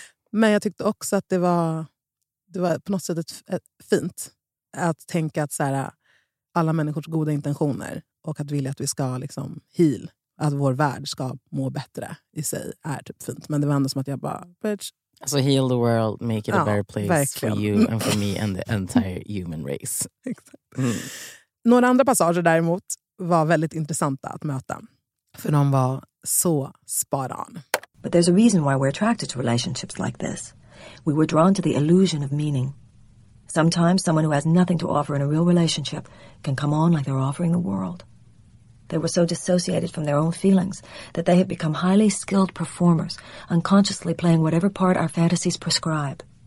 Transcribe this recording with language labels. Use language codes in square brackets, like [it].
[sv] Men jag tyckte också att det var på något sätt fint att tänka att så här, alla människors goda intentioner och att vilja att vi ska liksom heal, att vår värld ska må bättre i sig, är typ fint. Men det var ändå som att jag bara, bitch. Alltså, [en] heal the world, make it a better place, [sv] verkligen, [en] for you and for me and the entire human race. [sv] Exakt. Några andra passager däremot var väldigt intressanta att möta, för de var så spot on. [en] But there's a reason why we're attracted to relationships like this. We were drawn to the illusion of meaning. Sometimes someone who has nothing to offer in a real relationship can come on like they're offering the world. They were so dissociated from their own feelings that they have become highly skilled performers, unconsciously playing whatever part our fantasies prescribe.